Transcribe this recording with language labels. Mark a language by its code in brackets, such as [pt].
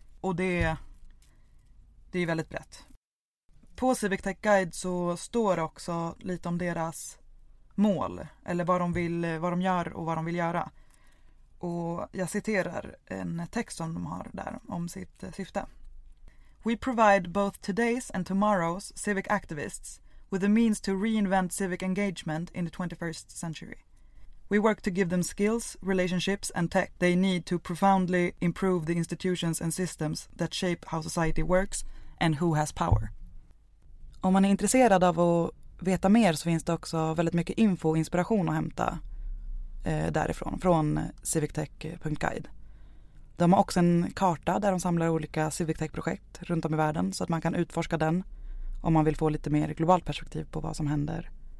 [sv] Och det är väldigt brett. På Civic Tech Guide så står också lite om deras mål, eller vad de vill, vad de gör och vad de vill göra. Och jag citerar en text som de har där om sitt syfte. [en] We provide both today's and tomorrow's civic activists with the means to reinvent civic engagement in the 21st century. We work to give them skills, relationships and tech they need to profoundly improve the institutions and systems that shape how society works and who has power. [sv] Om man är intresserad av att veta mer så finns det också väldigt mycket info och inspiration att hämta därifrån, från civictech.guide. De har också en karta där de samlar olika Civic Tech-projekt runt om i världen, så att man kan utforska den om man vill få lite mer globalt perspektiv på vad som händer.